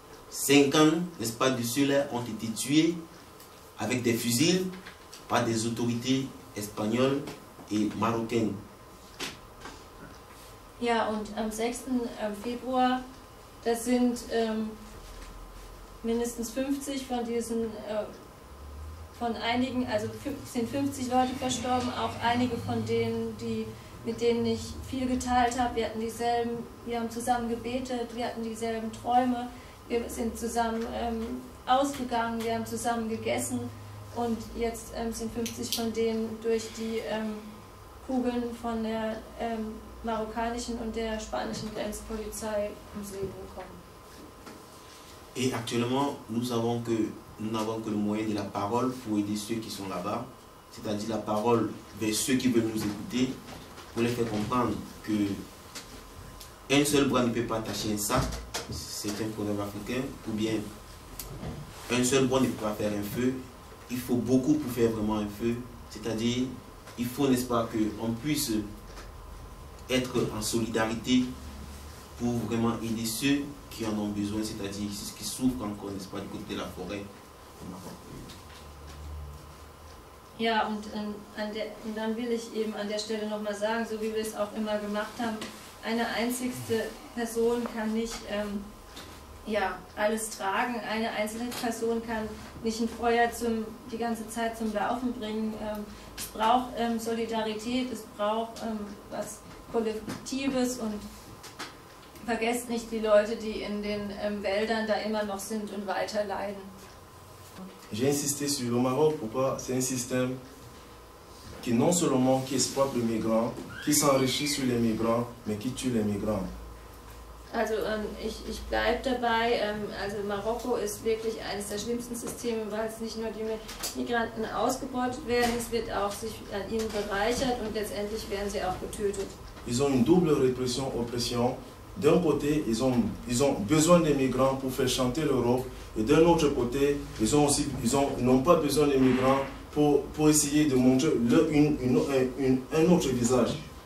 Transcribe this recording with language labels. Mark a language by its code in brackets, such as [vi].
[fr] 50, n'est-ce pas, de ceux-là ont été tués avec des fusils par des autorités espagnoles et marocaines. [de] Ja, und am 6. Februar, das sind mindestens 50 von diesen, von einigen, also sind 50 Leute verstorben, auch einige von denen, die mit denen ich viel geteilt habe. Wir hatten dieselben, wir haben zusammen gebetet, wir hatten dieselben Träume, wir sind zusammen ausgegangen, wir haben zusammen gegessen und jetzt sind 50 von denen durch die Kugeln von der marokkanischen und der spanischen Grenzpolizei ums Leben gekommen. [fr] Et actuellement, nous n'avons que le moyen de la parole pour aider ceux qui sont là-bas, c'est-à-dire la parole vers ceux qui veulent nous écouter, pour les faire comprendre que un seul bras ne peut pas attacher un sac, c'est un proverbe africain, ou bien un seul bras ne peut pas faire un feu, il faut beaucoup pour faire vraiment un feu, c'est-à-dire il faut, n'est-ce pas, qu'on puisse être en solidarité pour vraiment aider ceux qui en ont besoin, c'est-à-dire ceux qui souffrent encore, n'est-ce pas, du côté de la forêt. [de] Ja, und, und dann will ich eben an der Stelle nochmal sagen, so wie wir es auch immer gemacht haben, eine einzigste Person kann nicht ja, alles tragen, eine einzelne Person kann nicht ein Feuer zum, die ganze Zeit zum Laufen bringen. Es braucht Solidarität, es braucht was Kollektives und vergesst nicht die Leute, die in den Wäldern da immer noch sind und weiter leiden. [fr] J'ai insisté sur le Maroc, pourquoi c'est un système qui non seulement qui exploite les migrants, qui s'enrichit sur les migrants, mais qui tue les migrants. [de] Also, ich bleibe dabei, also Marokko ist wirklich eines der schlimmsten Systeme, weil es nicht nur die Migranten ausgebeutet werden, es wird auch sich an ihnen bereichert und letztendlich werden sie auch getötet. [fr] Ils ont une double répression, oppression. D'un côté, ils ont besoin des migrants pour faire chanter l'Europe. Et d'un autre côté, ils n'ont pas besoin des migrants pour essayer de montrer leur, un autre visage.